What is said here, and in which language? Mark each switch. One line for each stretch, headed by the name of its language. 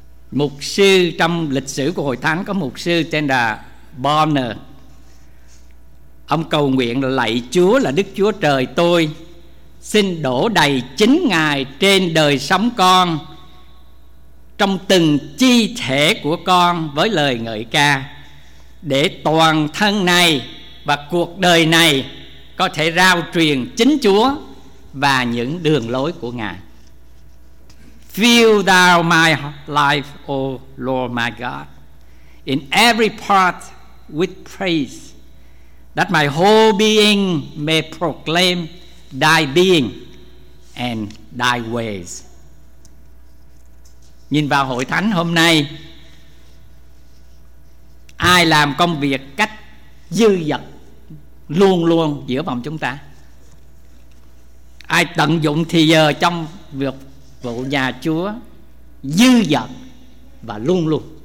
Vietnamese: Mục sư trong lịch sử của Hội Thánh, có mục sư tên là Bonner, ông cầu nguyện lạy Chúa là Đức Chúa Trời tôi, xin đổ đầy chính Ngài trên đời sống con, trong từng chi thể của con với lời ngợi ca, để toàn thân này và cuộc đời này có thể rao truyền chính Chúa và những đường lối của Ngài.
English: Fill thou my life, O Lord my God, in every part with praise, that my whole being may proclaim thy being and thy ways.
Vietnamese: Nhìn vào hội thánh hôm nay, ai làm công việc cách dư dật luôn luôn giữa vòng chúng ta? Ai tận dụng thì giờ trong việc vụ nhà Chúa dư dật và luôn luôn?